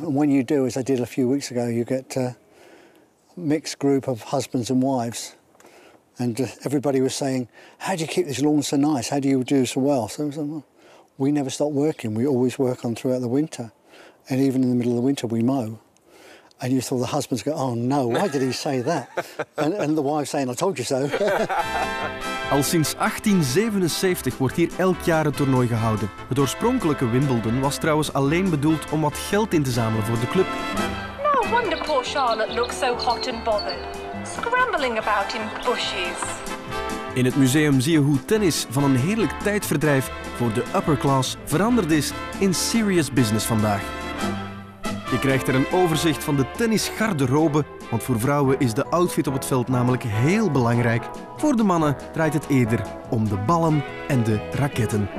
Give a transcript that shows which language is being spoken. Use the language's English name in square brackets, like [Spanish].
[English] And when you do, as I did a few weeks ago, you get mixed group of husbands and wives, and everybody was saying, how do you keep this lawn so nice? How do you do so well? So we never stop working. We always work on throughout the winter, and even in the middle of the winter we mow. And you saw the husbands go, oh no, why did he say that? And the wife saying, I told you so. [Dutch] Al sinds 1877 wordt hier elk jaar het toernooi gehouden. Het oorspronkelijke Wimbledon was trouwens alleen bedoeld om wat geld in te zamelen voor de club. [English] No wonder poor Charlotte looks so hot and bothered, scrambling about in bushes. [Dutch] In het museum zie je hoe tennis van een heerlijk tijdverdrijf voor de upper class veranderd is in [English] serious business [Dutch] vandaag. Je krijgt er een overzicht van de tennisgarderobe, want voor vrouwen is de outfit op het veld namelijk heel belangrijk. Voor de mannen draait het eerder om de ballen en de raketten.